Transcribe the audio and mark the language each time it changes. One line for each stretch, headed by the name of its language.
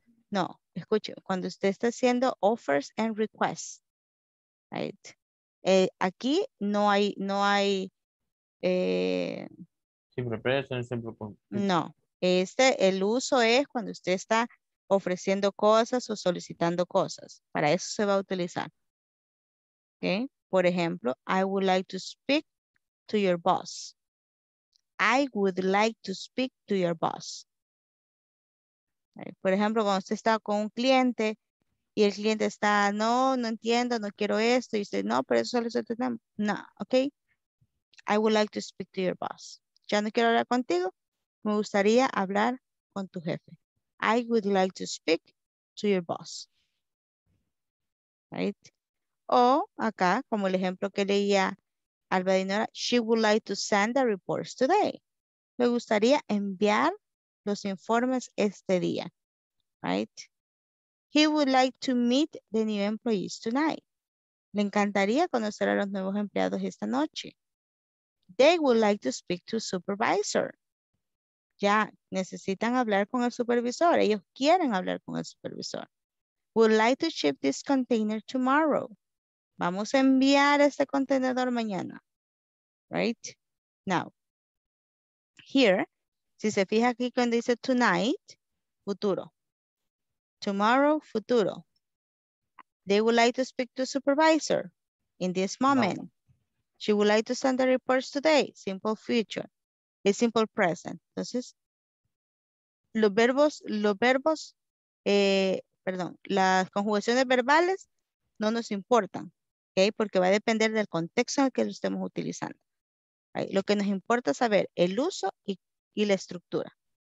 Spanish: No, escuche, cuando usted está haciendo
English: offers and requests.
Spanish: Right? Aquí no hay. Siempre present, siempre con. No, el uso es cuando usted está ofreciendo cosas o solicitando cosas. Para eso se va a utilizar. Okay. Por ejemplo,
English: I would like to speak to your boss. I would like to speak to your boss. Right.
Spanish: Por ejemplo, cuando usted está con un cliente y el cliente está, no entiendo, no quiero esto. Y usted, no, pero eso solo es otro tema. No, ok.
English: I would like to speak to your boss.
Spanish: Ya no quiero hablar contigo. Me gustaría hablar con tu jefe. I would like to speak to your boss.
English: Right.
Spanish: O acá, como el ejemplo que leía
English: Alba Dinora, she would like to send the reports today.
Spanish: Me gustaría enviar los informes este día, right?
English: He would like to meet the new employees tonight.
Spanish: Le encantaría conocer a los nuevos empleados esta noche.
English: They would like to speak to supervisor.
Spanish: Ya, necesitan hablar con el supervisor. Ellos quieren hablar con el supervisor.
English: Would like to ship this container tomorrow.
Spanish: Vamos a enviar este contenedor mañana, right? Now, here, si se fija aquí cuando dice tonight, futuro. Tomorrow, futuro.
English: They would like to speak to supervisor in this moment. No. She would like to send the reports today. Simple future. A simple present.
Spanish: Entonces, las conjugaciones verbales no nos importan, ¿okay? Porque va a depender del contexto en el que lo estemos utilizando. Right? Lo que nos importa es saber el uso y la estructura.